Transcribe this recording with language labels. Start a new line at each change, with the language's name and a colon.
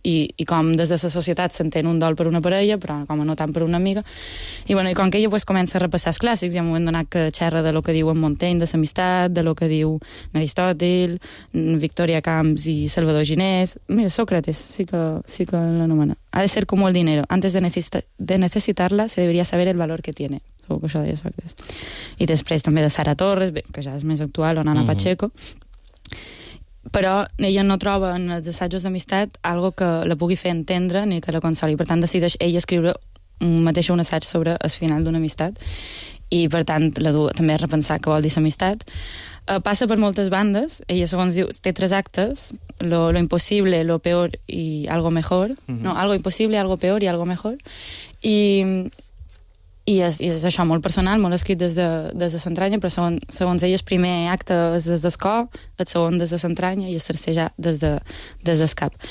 Catalan: I com des de la societat s'entén un dol per una parella, però com no tant per una amiga. I, bueno, i com que ella pues, comença a repassar els clàssics, hi ha un moment donat que xerra de lo que diu en Montaigne, de l'amistat, de lo que diu en Aristòtil, en Victoria Camps i Salvador Ginés. Mira, Sócrates, sí que l'anomena.
Spanish: Ha de ser como el dinero. Antes de necesitarla, se debería saber el valor que tiene.
Catalan: Que això deia Sócrates. I després també de Sara Torres, bé, que ja és més actual, o Nana Pacheco. Però ella no troba en els assajos d'amistat algo que la pugui fer entendre ni que la consoli. Per tant, decideix ella escriure mateix un assaig sobre el final d'una amistat. I, per tant, la du també a repensar què vol dir l'amistat. Passa per moltes bandes. Ella, segons diu, té tres actes.
Spanish: Lo imposible, lo peor y algo mejor. No, algo imposible, algo peor y algo mejor.
Catalan: I és això molt personal, molt escrit des de l'entranya, però segons ell el primer acte és des del cor, el segon des de l'entranya i el tercer ja des del cap.